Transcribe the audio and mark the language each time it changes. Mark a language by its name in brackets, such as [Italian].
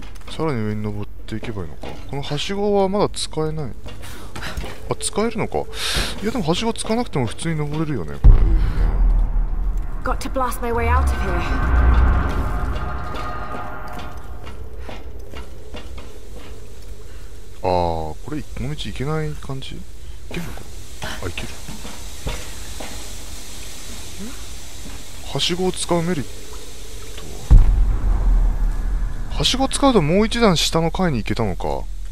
[Japanese] さらに上に登っていけばいいのか。このはしごはまだ使えない。あ、使えるのか。いや、でもはしご使わなくても普通に登れるよね、これ。 [English] Got to blast my way out of here. [Japanese] あー、これこの道行けない感じ。行けるのか。あ、行ける。はしごを使うメリットは、はしごを使うともう一段下の階に行けたのか。